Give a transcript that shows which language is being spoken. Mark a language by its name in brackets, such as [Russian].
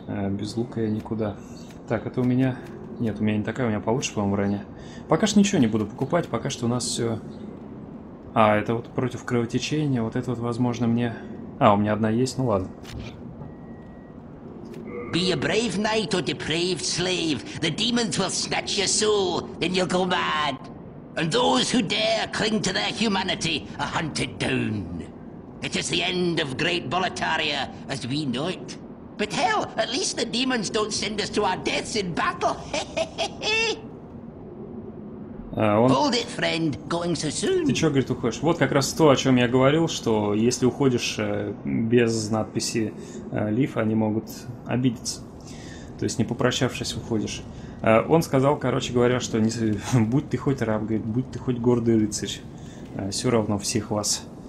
[Russian] Без лука я никуда. Так, это у меня... Нет, у меня не такая, у меня получше, по-моему, броня. Пока что ничего не буду покупать, пока что у нас все... А, это вот против кровотечения, вот это вот, возможно, мне... А, у меня одна есть, ну ладно. [English] Be a brave knight or depraved slave. The demons will snatch your soul, then you'll go mad. And those who dare cling to their humanity are hunted down. It is the end of great Boletaria, as we know it. But hell, at least the demons don't send us to our deaths in battle. Hold it, friend, going so soon. [Russian] Ты что, говорит, уходишь? Вот как раз то, о чем я говорил, что если уходишь без надписи Leaf, они могут обидеться. То есть не попрощавшись уходишь. Он сказал, короче говоря, что не... будь ты хоть раб, говорит, будь ты хоть гордый рыцарь, все равно всех вас